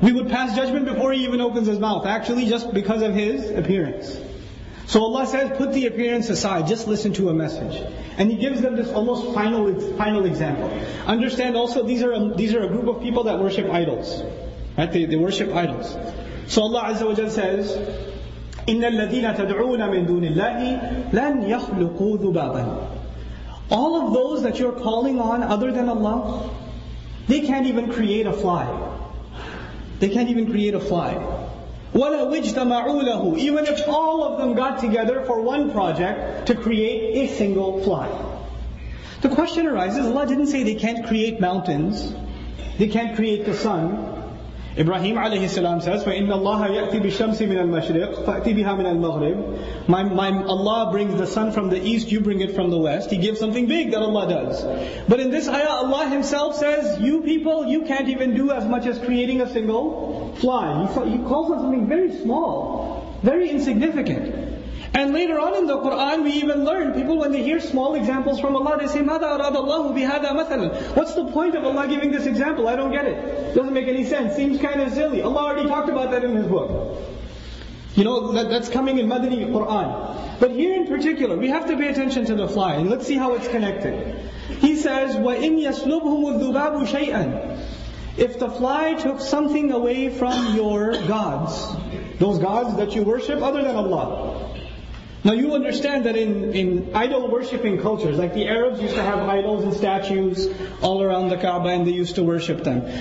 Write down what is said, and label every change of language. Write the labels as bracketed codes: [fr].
[en] We would pass judgment before he even opens his mouth, actually just because of his appearance. So Allah says, put the appearance aside, just listen to a message. And He gives them this almost final example. Understand also, these are a group of people that worship idols. Right? They worship idols. So Allah Azza wa Jalla says, [ar] إِنَّ الَّذِينَ تَدْعُونَ مِن دُونِ اللَّهِ لَنْ يَخْلُقُوا ذُبَابًا. [en] All of those that you're calling on other than Allah, they can't even create a fly. They can't even create a fly. [ar] وَلَا وِجْتَمَعُوا لَهُ. [en] Even if all of them got together for one project to create a single fly. The question arises, Allah didn't say they can't create mountains, they can't create the sun. Ibrahim alayhi salam says, [ar] فَإِنَّ اللَّهَ يَأْتِ بِالشَّمْسِ مِنَ الْمَشْرِقِ فَأْتِ بِهَا مِنَ الْمَغْرِبِ. [en] My Allah brings the sun from the east, you bring it from the west. He gives something big that Allah does. But in this ayah, Allah Himself says, you people, you can't even do as much as creating a single fly. He calls on something very small, very insignificant. And later on in the Qur'an, we even learn, people when they hear small examples from Allah, they say, [ar] مَاذَا أَرَادَ اللَّهُ بِهَذَا مَثَلًا. [en] What's the point of Allah giving this example? I don't get it. Doesn't make any sense. Seems kind of silly. Allah already talked about that in His book. You know, that's coming in Madani Qur'an. But here in particular, we have to pay attention to the fly, and let's see how it's connected. He says, [ar] وَإِنْ يَسْلُبْهُمُ الذُّبَابُ شَيْئًا. [en] If the fly took something away from your gods, those gods that you worship other than Allah. Now you understand that in idol worshipping cultures, like the Arabs used to have idols and statues all around the Kaaba and they used to worship them.